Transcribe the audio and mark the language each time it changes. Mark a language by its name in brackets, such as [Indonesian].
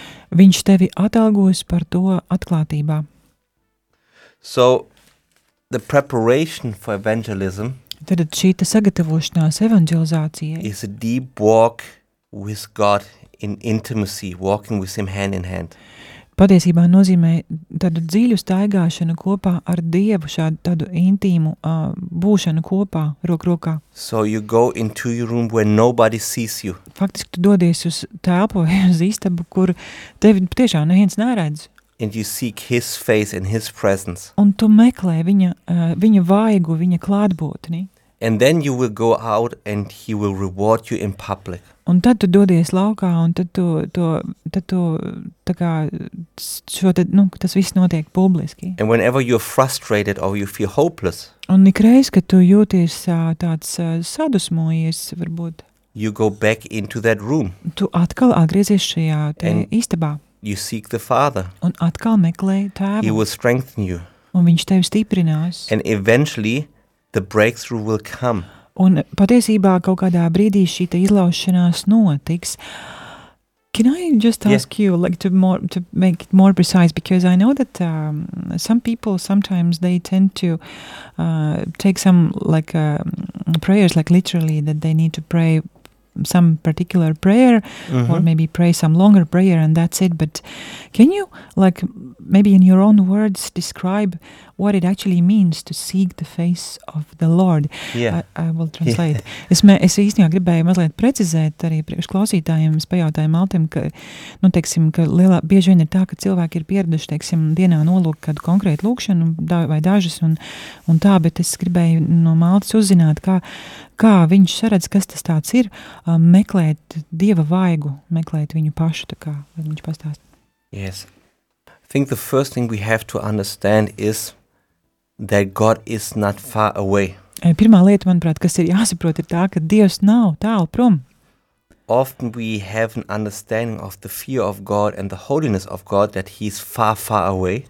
[Latvian] Viņš tevi atalgos par to atklātībā. [English] So, the preparation for evangelism. [Latvian] Tad šī ta sagatavošanās evanģelizācijai. [English] Is a deep walk with God in intimacy, walking with him hand in hand. [Latvian] Patiesībā nozīmē tādu dziļu staigāšanu kopā ar Dievu, šādu tādu intīmu būšanu kopā rok rokā. [English] So you go into your room where nobody sees you. [Latvian] Faktiski tu dodies uz telpu, uz istabu, kur tevi tiešām neviens neredz. [English] And you seek his face and his presence. [Latvian] Un tu meklē viņa, viņa vaigu, viņa klātbūtni. [English] And then you will go out and he will reward you in public. [Latvian] Un tad tu dodies laukā un tad tu, to, tad tu tā kā, šo tad, nu, tas viss notiek publiski. [English] And whenever you're frustrated or you feel hopeless. [Latvian] Un ikreiz, kad tu jūties tāds sadusmojies, varbūt. [English] You go back into that room. [Latvian] Tu atkal atgriezies šajā te istabā. [English] You seek the Father. [Latvian] Un atkal meklē Tēvu. [English] He will strengthen you. [Latvian] Un viņš tevi stiprinās. [English] And eventually the breakthrough will come. [Latvian] Un patiesībā kaut kādā brīdī šī ta izlaušanās notiks. [English] Can I just ask you like to make it more precise because I know that some people sometimes they tend to take some like prayers like literally that they need to pray some particular prayer or maybe pray some longer prayer and that's it, but can you like maybe in your own words describe what it actually means to seek the face of the Lord? Yeah, I will translate. [Latvian] Es īstenībā gribēju mazliet precizēt arī priekš klausītājiem, es pajautāju Maltim, ka, nu, teiksim, ka lielā, bieži vien ir tā, ka cilvēki ir pieraduši, teiksim, dienā nolūk kādu konkrētu lūkšanu vai dažas un tā, bet es gribēju no Maltis uzzināt, kā viņš saredz, kas tas tāds ir, meklēt Dieva vaigu, meklēt viņu pašu, tā kā, lai viņš pastāst. [English] Yes. I think the first thing we have to understand is that God is not far away. [Latvian] Pirmā lieta, manuprāt, kas ir jāsaprot, ir tā, ka Dievs nav tālu prom. [English] Often we have an understanding of the fear of God and the holiness of God that he is far, far away.